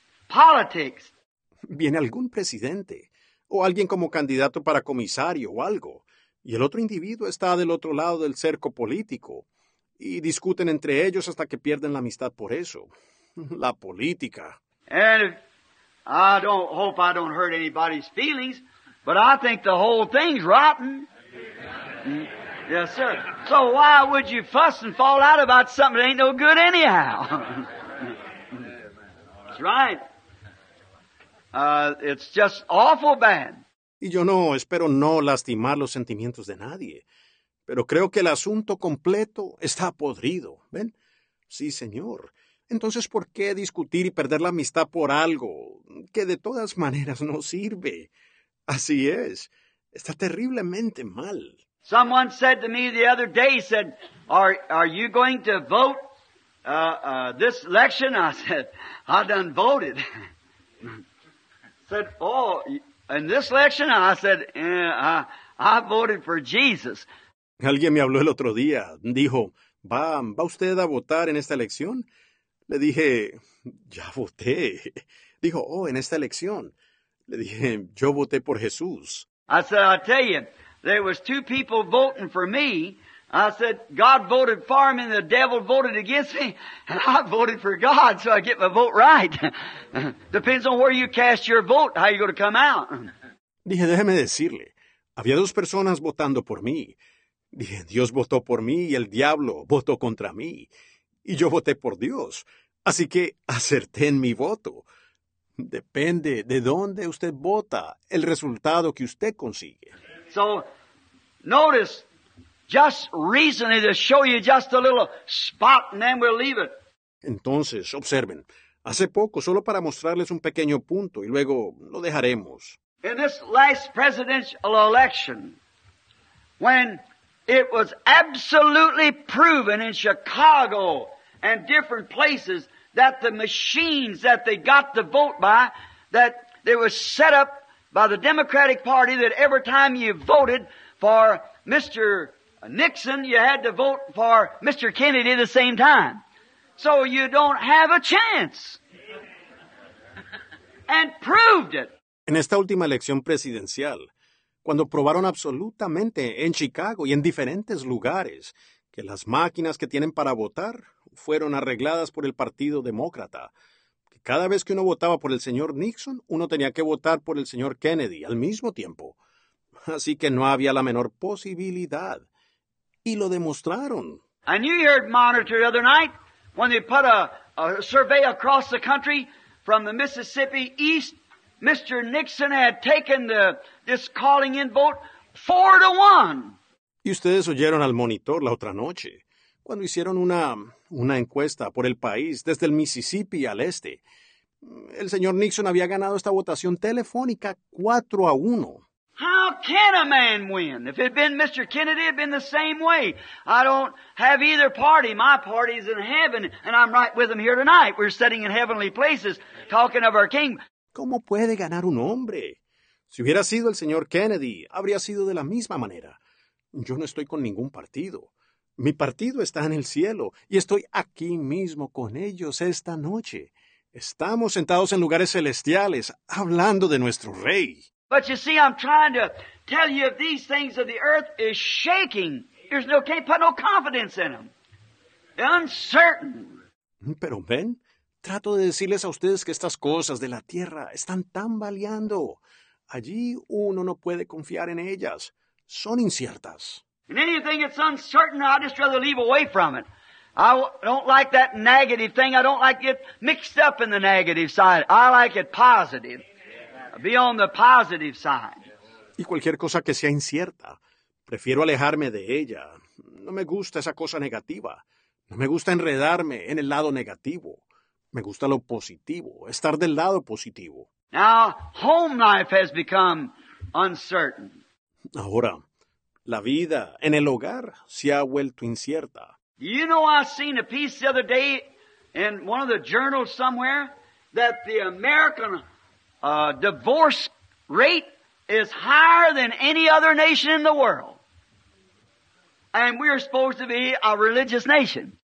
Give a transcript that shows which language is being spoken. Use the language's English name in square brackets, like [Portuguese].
[English] Politics. [Spanish] Viene algún presidente o alguien como candidato para comisario o algo, y el otro individuo está del otro lado del cerco político y discuten entre ellos hasta que pierden la amistad por eso. La política. [English] And I don't hope I don't hurt anybody's feelings, but I think the whole thing's rotten. Yes, sir. So why would you fuss and fall out about something that ain't no good anyhow? That's right. It's just awful bad. [Spanish] Y yo no espero no lastimar los sentimientos de nadie, pero creo que el asunto completo está podrido, ¿ven? Sí, señor. Entonces, ¿por qué discutir y perder la amistad por algo que de todas maneras no sirve? Así es. Está terriblemente mal. [English] Someone said to me the other day, he said, are you going to vote this election? I said, I done voted. Said, oh, in this election, I said, I voted for Jesus. [Spanish] Alguien me habló el otro día. Dijo, ¿va usted a votar en esta elección? Le dije, ya voté. Dijo, oh, en esta elección. Le dije, yo voté por Jesús. [English] I said, I tell you, there was two people voting for me. I said, God voted for me and the devil voted against me, and I voted for God, so I get my vote right. Depends on where you cast your vote, how you're going to come out. [Spanish] Dije, déjeme decirle, había dos personas votando por mí. Dije, Dios votó por mí y el diablo votó contra mí. Y yo voté por Dios, así que acerté en mi voto. Depende de dónde usted vota, el resultado que usted consigue. [English] So, notice. Just recently, to show you just a little spot, and then we'll leave it. [Spanish] Entonces, observen. hace poco, solo para mostrarles un pequeño punto y luego lo dejaremos. [English] In this last presidential election, when it was absolutely proven in Chicago and different places that the machines that they got the vote by, that they were set up by the Democratic Party, that every time you voted for Mr. Nixon, you had to vote for Mr. Kennedy at the same time. So you don't have a chance. And proved it. [Spanish] En esta última elección presidencial, cuando probaron absolutamente en Chicago y en diferentes lugares que las máquinas que tienen para votar fueron arregladas por el Partido Demócrata, que cada vez que uno votaba por el señor Nixon, uno tenía que votar por el señor Kennedy al mismo tiempo. Así que no había la menor posibilidad. Y lo demostraron. [English] And you heard monitor the other night when they put a survey across the country from the Mississippi east. Mr. Nixon had taken this calling in vote 4-1. [Spanish] Y ustedes oyeron al monitor la otra noche, cuando hicieron una encuesta por el país desde el Mississippi al este. El señor Nixon había ganado esta votación telefónica 4-1. [English] How can a man win? If it had been Mr. Kennedy, it had been the same way. I don't have either party. My party is in heaven, and I'm right with him here tonight. We're sitting in heavenly places talking of our king. [Spanish] ¿Cómo puede ganar un hombre? Si hubiera sido el señor Kennedy, habría sido de la misma manera. Yo no estoy con ningún partido. Mi partido está en el cielo y estoy aquí mismo con ellos esta noche. Estamos sentados en lugares celestiales hablando de nuestro rey. [English] But you see, I'm trying to tell you if these things of the earth is shaking, there's no, can't put no confidence in them. They're uncertain. [Spanish] Pero ven, trato de decirles a ustedes que estas cosas de la tierra están tambaleando. Allí uno no puede confiar en ellas. Son inciertas. [English] And anything that's uncertain, I'd just rather leave away from it. I don't like that negative thing. I don't like it mixed up in the negative side. I like it positive. Be on the positive side. [Spanish] Y cualquier cosa que sea incierta, prefiero alejarme de ella. No me gusta esa cosa negativa. No me gusta enredarme en el lado negativo. Me gusta lo positivo, estar del lado positivo. [English] Now, home life has become uncertain. [Spanish] Ahora, la vida en el hogar se ha vuelto incierta. [English] You know, I seen a piece the other day in one of the journals somewhere that the American divorce rate is higher than any other nation in the world. And we are supposed to be a religious nation.